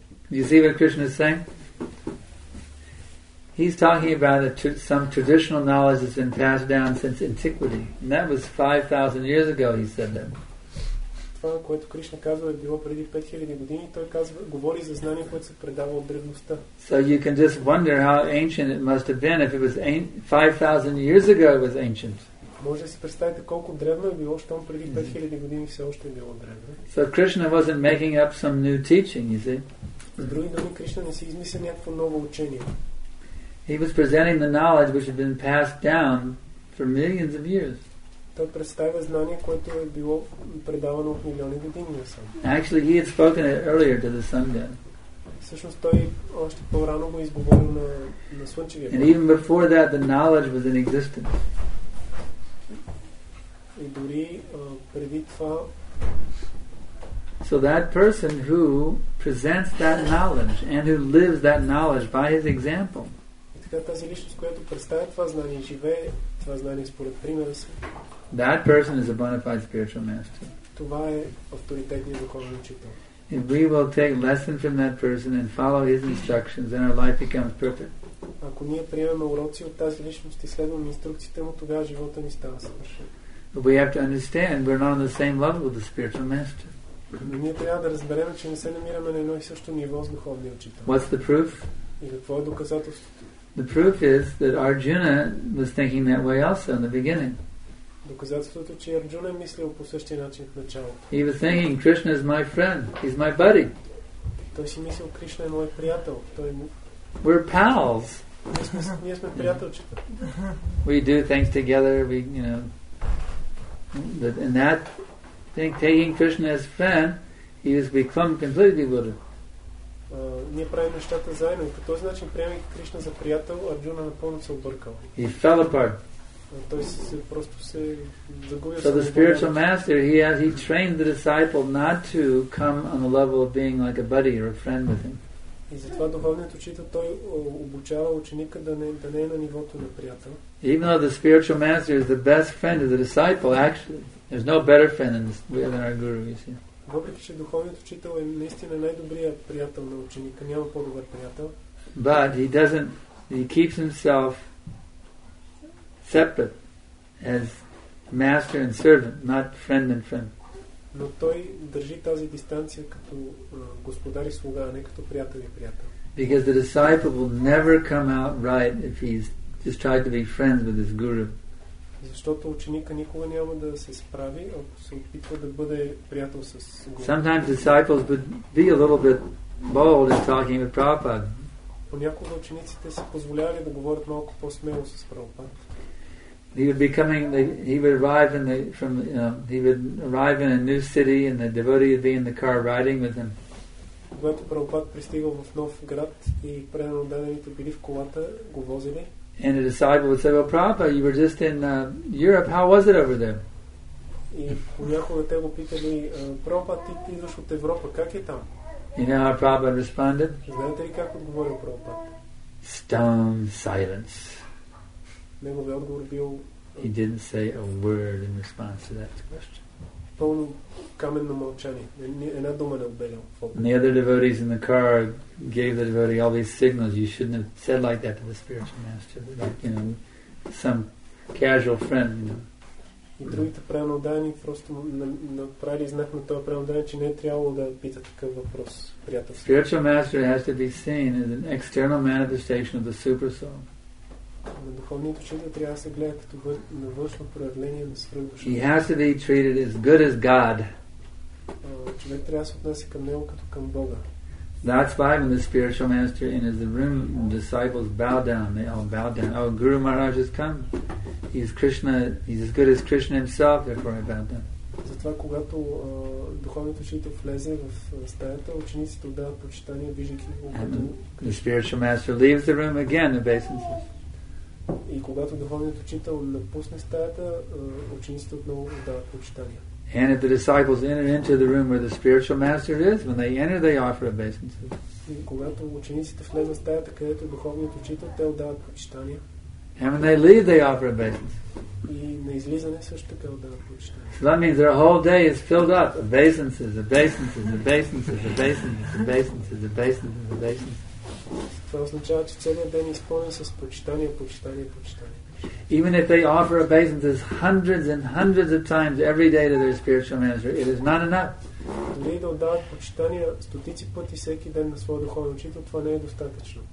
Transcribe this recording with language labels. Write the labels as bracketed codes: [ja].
[en] You see what Krishna is saying? He's talking about some traditional knowledge that's been passed down since antiquity. And that was 5,000 years ago, he said that. [bg] Това, което Кришна казва, е било преди 5000 години. Той казва, говори за знание, което се предава от древността. [en] So you can just wonder how ancient it must have been if it was 5,000 years ago it was ancient. [bg] Може да си представите колко древно е било, щом преди 5000 години все още е било древно. [en] So Krishna wasn't making up some new teaching, you see. [bg] С други думи, Кришна не си измисля някакво ново учение. [en] He was presenting the knowledge which had been passed down for millions of years. [bg] Той представя знание, което е било предавано от милиони години насам. [en] Actually, he had spoken it earlier to the sun god. [bg] Всъщност той още по-рано го изговорил на слънчевия. [en] And even before that, the knowledge was in existence. [bg] И дори преди това. [en] So that person who presents that knowledge and who lives that knowledge by his example. [bg] Тази личност, която представя това знание, живее това знание според примера си. [en] That person is a bona fide spiritual master. [bg] Това е авторитетният духовен учител. [en] If we will take lesson from that person and follow his instructions, then our life becomes perfect. [bg] Ако ние приемем уроци от тази личност и следваме инструкциите му, тогава живота ни става съвършен. [en] We have to understand we're not on the same level with the spiritual master. [bg] Ние трябва да разберем, че не се намираме на едно и също ниво с духовния учител. [en] What's the proof? [bg] И какво е доказателството? [en] The proof is that Arjuna was thinking that way also in the beginning. [bg] Доказателството е, че Арджуна е мислил по същия начин в началото. [en] He was thinking, Krishna is my friend, he's my buddy. [bg] Той си мислил, Кришна е мой приятел. Той му. [en] We're pals. [bg] Ние сме приятелчета. [en] We do things together. We, you know, but in that thing, taking Krishna as friend, he was become completely Buddha. [bg] Ние правим нещата заедно и по този начин приемайки Кришна за приятел, Арджуна напълно се объркал. [en] He fell apart. So the spiritual master, he trained the disciple not to come on the level of being like a buddy or a friend with him. Even though the spiritual master is the best friend of the disciple, actually, there's no better friend than our guru, you see. [bg] Въпреки че духовният учител е наистина най-добрият приятел на ученика, няма по-добър приятел. [en] But he doesn't, he keeps himself separate as master and servant, not friend and friend. [bg] Но той държи тази дистанция като господар и слуга, а не като приятел и приятел. [en] Because the disciple will never come out right if he's just tried to be friends with his guru. [bg] Защото ученика никога няма да се справи, ако се опитва да бъде приятел с Гуру. [en] Sometimes disciples would be a little bit bold in talking with Prabhupada. [bg] Понякога учениците си позволявали да говорят малко по-смело с Прабхупад. [en] He would arrive in a new city and the devotee would be in the car riding with him. [bg] Когато Прабхупад пристигал в нов град и преданите били в колата, го возили. [en] And a disciple would say, "Well, Prabhupada, you were just in Europe. How was it over there?" [bg] И понякога те го питали, Прабхупада, ти идваш от Европа, как е там? [en] You know how Prabhupada responded? [bg] Знаете ли как отговорил Прабхупада? [en] Stone silence. [bg] Неговият отговор бил. [en] He didn't say a word in response to that question. [bg] Пълно каменно мълчание. Една дума не отбелел. [en] And the other devotees in the car gave the devotee all these signals. You shouldn't have said like that to the spiritual master. Like, you know, some casual friend, you know. [bg] И другите преданодани просто направили знак на този преданодан, че не е трябвало да пита такъв въпрос. [en] Spiritual master has to be seen as an external manifestation of the super soul. [bg] На духовното чудо трябва да се гледа като външно проявление на свръхдушата. [en] He has to be treated as good as God. [bg] Човек трябва да се отнася към него като към Бога. [en] That's why when the spiritual master in his room, disciples bow down. They all bow down. Oh, Guru Maharaj has come. He's Krishna. He's as good as Krishna himself. Therefore, I bow down. [bg] Затова когато духовният учител влезе в стаята, учениците отдават почитание, виждайки го. [en] The spiritual master leaves the room again, obeisances. [bg] И когато духовният учител напусне стаята, учениците отново отдават почитание. [en] And if the disciples enter into the room where the spiritual master is, when they enter, they offer obeisances. [bg] Когато учениците влезат в стаята, където е духовният учител, те отдават почитание. [en] And when they leave, they offer obeisances. [bg] И на излизане също така отдават почитание. [en] So that means their whole day is filled up obeisances, obeisances, obeisances, obeisances, obeisances, obeisances, obeisances. [bg] Това означава, че целият ден е изпълнен с почитание, почитание, почитание. [en] Even if they offer obeisances hundreds and hundreds of times every day to their spiritual master, it is not enough. It's not enough.